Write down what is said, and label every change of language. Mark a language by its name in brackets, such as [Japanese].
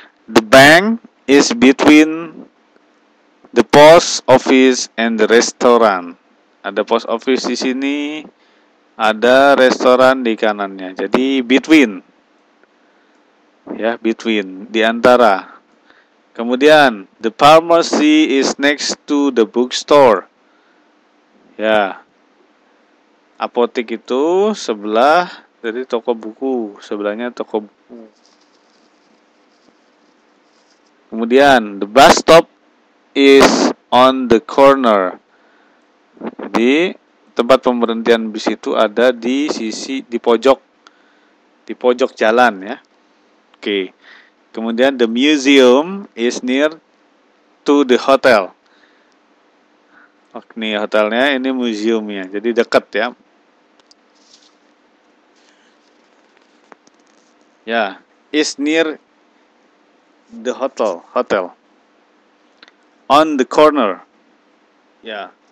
[English] The bank is between the post office and the restaurant. [Indonesian] Ada post office di sini. Ada restoran di kanannya. Jadi between. Ya, between, di antara. Kemudian [English] the pharmacy is next to the bookstore. [Indonesian] Ya. Apotek itu sebelah dari toko buku, sebelahnya toko buku. Kemudian [English] the bus stop is on the corner. [Indonesian] Di tempat pemberhentian bis itu ada di sisi, di pojok jalan ya. Oke, kemudian [English] the museum is near to the hotel. [Indonesian] Oke, ini hotelnya, ini museumnya, jadi dekat ya. [English] Ya, is near the hotel, hotel. On the corner, ya.